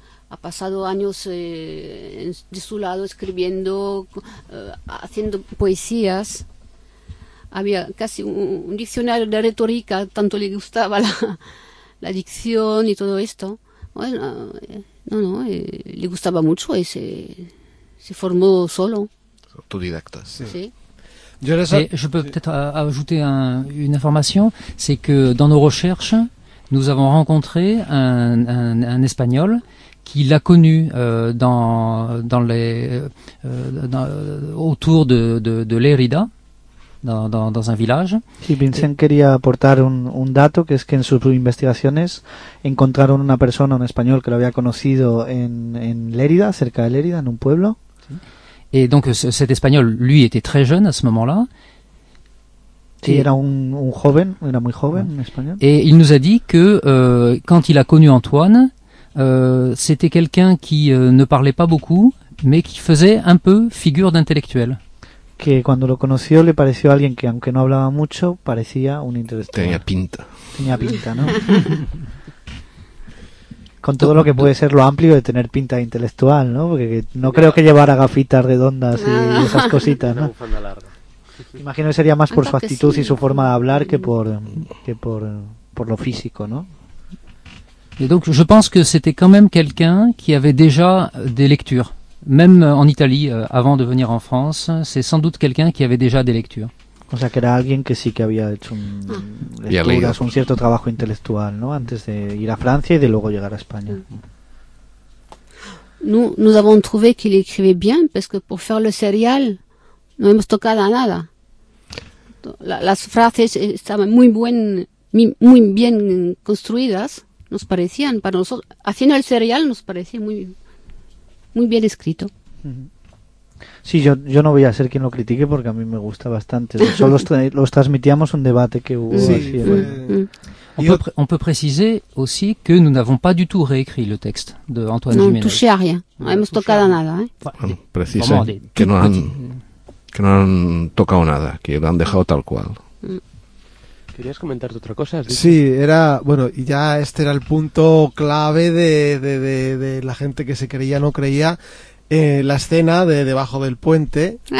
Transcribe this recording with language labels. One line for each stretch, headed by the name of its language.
Spanish: Ha pasado años de su lado escribiendo, haciendo poesías. Había casi un diccionario de retórica, tanto le gustaba la dicción y todo esto. Bueno, le gustaba mucho y se formó solo. Autodidacta, sí. Sí.
French: Je peux peut-être ajouter une information, c'est que dans nos recherches, nous avons rencontré un Espagnol qui l'a connu autour de Lérida. Dans un village.
Spanish: Sí, Vincent quería aportar un dato, que es que en sus investigaciones encontraron una persona, un español, que lo había conocido en Lérida, cerca de Lérida, en un pueblo.
French: Et donc cet español, lui, était très jeune à ce moment-là.
Spanish: Sí, era un joven, era muy joven, un español.
French: Et il nous a dit que quand il a connu Antoine, c'était quelqu'un qui ne parlait pas beaucoup, mais qui faisait un peu figure d'intellectuel.
Spanish: que cuando lo conoció le pareció a alguien que, aunque no hablaba mucho, parecía un intelectual. Tenía pinta. Tenía pinta, ¿no? Con todo lo que puede ser lo amplio de tener pinta de intelectual, ¿no? Porque no creo que llevara gafitas redondas y esas cositas, ¿no? Imagino que sería más por su actitud y su forma de hablar que por lo físico, ¿no?
French: Et donc, je pense que c'était quand même quelqu'un qui avait déjà des lectures. Même en Italie, avant de venir en France, c'est sans doute quelqu'un qui avait déjà des lectures.
Spanish: O sea, que era alguien que sí que había hecho un, lecturas, un cierto trabajo intelectual, ¿no? Antes de ir a Francia y de luego llegar a España.
French: Nous avons trouvé qu'il écrivait bien, parce que pour faire le serial,
Spanish: no hemos tocado a nada. Las frases estaban muy bien construidas. Nos parecían, para nosotros, haciendo el serial, nos parecía muy, muy bien escrito. Sí, yo no voy a ser quien lo critique porque a mí me gusta bastante. Solo los transmitíamos un debate que hubo. Sí, así, bueno.
French: On peut préciser aussi que nous n'avons pas du tout réécrit le texte de Antoine Jiménez.
Spanish: No,
French: touché a rien.
Spanish: No, no hemos tocado nada. Preciso que no han tocado nada, que lo han dejado tal cual. ¿Querías comentarte otra cosa? Sí, era, bueno, y ya este era el punto clave de la gente que se creía o no creía, la escena de debajo del puente.